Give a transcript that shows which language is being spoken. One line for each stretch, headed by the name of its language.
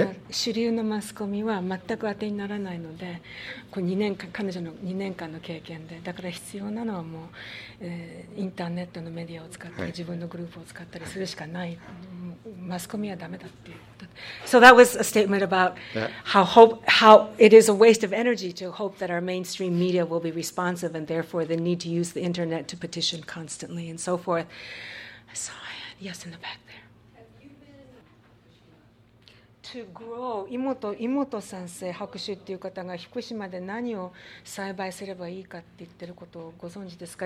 Japanese: 主流のマスコミは全く当てにならないので、2年間、彼女の2年間の経験で、だから必要なのはもう、インターネットのメディアを使ったり、自分のグループを使ったりするしかない、マスコミはダメだっていうこと。
English: So that was a statement about how it is a waste of energy to hope that our mainstream media will be responsive and therefore the need to use the internet to petition constantly and so forth. So, yes, in the back there. To grow,
Japanese: 妹さん生白州っていう方が福島で何を栽培すればいいかって言ってることをご存知ですか?